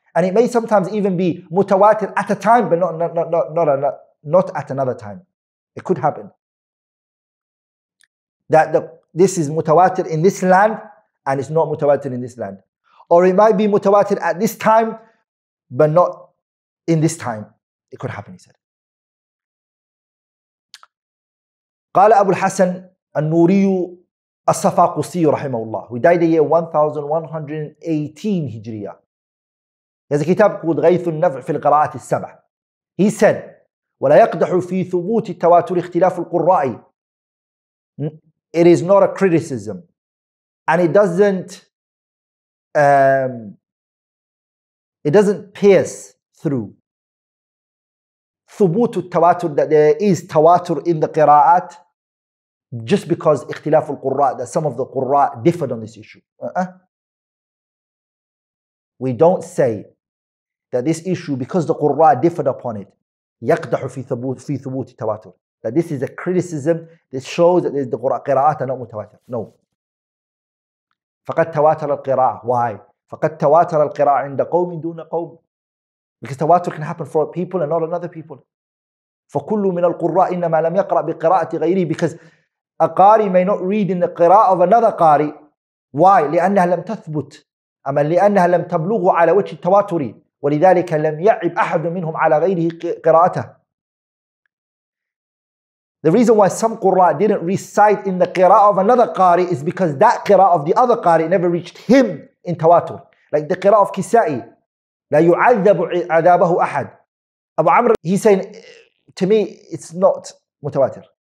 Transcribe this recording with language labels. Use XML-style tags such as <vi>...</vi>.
<en>And it may sometimes even be mutawatir at a time, but not at another time. It could happen. That this is mutawatir in this land, and it's not mutawatir in this land. Or it might be mutawatir at this time, but not in this time. It could happen, he said.</en> <ar>قال أبو الحسن النوري الصفاقسي رحمه الله.</ar> <en>He died the year 1118 هجرية. There's a kitab called غيث النفع في القراءة السبع. He said, ولا يقدح في ثبوت التواتر اختلاف القراء. It is not a criticism, and it doesn't pierce through ثبوت التواتر, that there is تواتر in the قراءات. Just because اختلاف القراء, that some of the قراء differed on this issue. We don't say that this issue, because the قراء differed upon it, يقدح في ثبوت التواتر, that this is a criticism, this shows that the قراء قراءات are not متواتر. No.</en> <ar>فقد تواتر القراء. Why? فقد تواتر القراء عند قوم دون قوم.</ar> <en>Because تواتر can happen for people and not another people. فكل من القراء إنما لم يقرأ بقراءة غيره, because a qari may not read in the qira'ah of another qari.</en> <ar>Why? لأنها لم تثبت. أما لأنها لم تبلغ على وجه التواتر. ولذلك لم يعب أحد منهم على غيره قراءته.</ar> <en>The reason why some qura didn't recite in the qira'ah of another qari is because that qira'ah of the other qari never reached him in tawatur. Like the qira'ah of Kisa'i. لا يعذب عذابه أحد. Abu Amr, he's saying, to me, it's not متواتر.</en>